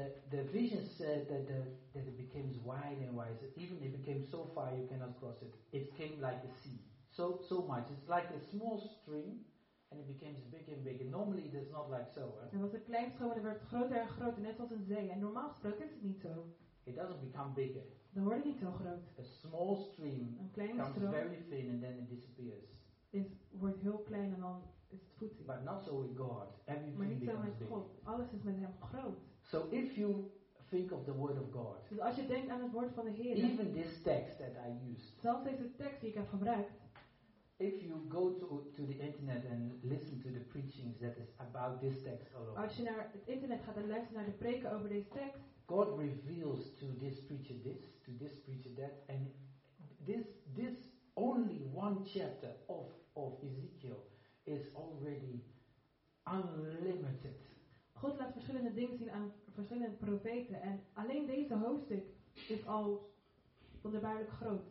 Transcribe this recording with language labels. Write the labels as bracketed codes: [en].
[en] The vision said that it becomes wider and wider. Even if it became so far, you cannot cross it. It came like a sea. So much. It's like a small stream, and it becomes bigger and bigger. Normally, it is not like so. [nl] Het was een klein stroom, en het werd groter en groter, net als een zee. En normaal gesproken is het niet zo. [en] It doesn't become bigger. [nl] Dan wordt het niet zo groot. [en] A small stream [nl] een kleine [en] comes [nl] stroom [en] very thin and then it disappears. [nl] Het wordt heel klein en dan is het voetzie. [en] But not so with God. Everything [nl] maar niet zo met [en] big. [nl] God. Alles is met hem groot. [en] So if you think of the word of God. [nl] Dus als je denkt aan het woord van de Heer. [en] Even this text that I used. [nl] Zelfs deze tekst die ik heb gebruikt. [en] If you go to the internet and listen to the preachings that is about this text alone. [nl] Als je naar het internet gaat en luistert naar de preken over deze tekst. [en] God reveals to this preacher this, to this preacher that, and this only one chapter of Ezekiel is already unlimited. [nl] God laat verschillende dingen zien aan verschillende profeten, en alleen deze hoofdstuk is al wonderbaarlijk groot.